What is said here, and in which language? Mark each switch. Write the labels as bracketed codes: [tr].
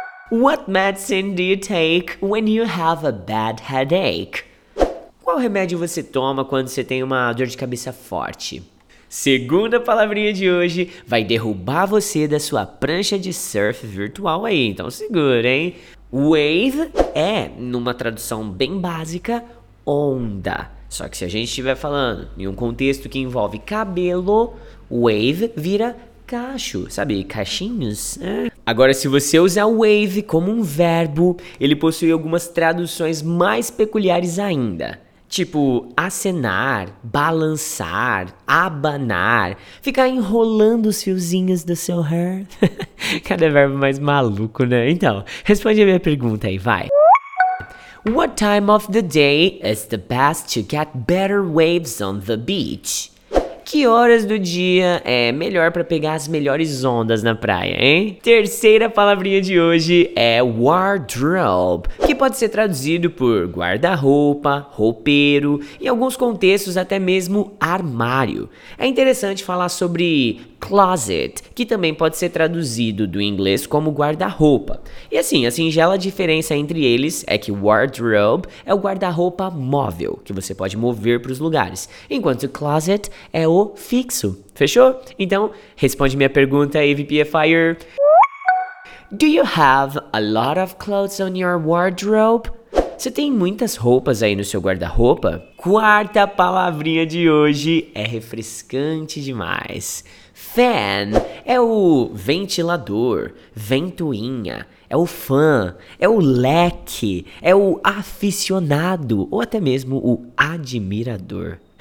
[en] What medicine do you take when you have a bad headache? [pt] Qual remédio você toma quando você tem uma dor de cabeça forte? Segunda palavrinha de hoje vai derrubar você da sua prancha de surf virtual aí, então segura, hein? Wave é, numa tradução bem básica, onda. Só que se a gente estiver falando em um contexto que envolve cabelo, wave vira cacho, sabe? Cachinhos. Agora, se você usar wave como um verbo, ele possui algumas traduções mais peculiares ainda. Tipo, acenar, balançar, abanar, ficar enrolando os fiozinhos do seu hair. Cada verbo mais maluco, né? Então, responde a minha pergunta aí, vai. [en] What time of the day is the best to get better waves on the beach? [pt] que horas do dia é melhor para pegar as melhores ondas na praia, hein? Terceira palavrinha de hoje é wardrobe, que pode ser traduzido por guarda-roupa, roupeiro, em alguns contextos até mesmo armário. É interessante falar sobre closet, que também pode ser traduzido do inglês como guarda-roupa. E assim, a singela diferença entre eles é que wardrobe é o guarda-roupa móvel, que você pode mover para os lugares, enquanto closet é o fixo. Fechou? Então, responde minha pergunta, AVPFire. [en] Do you have a lot of clothes on your wardrobe? [pt] Você tem muitas roupas aí no seu guarda-roupa? Quarta palavrinha de hoje é refrescante demais. Fan é o ventilador, ventoinha, é o fã, é o leque, é o aficionado ou até mesmo o admirador.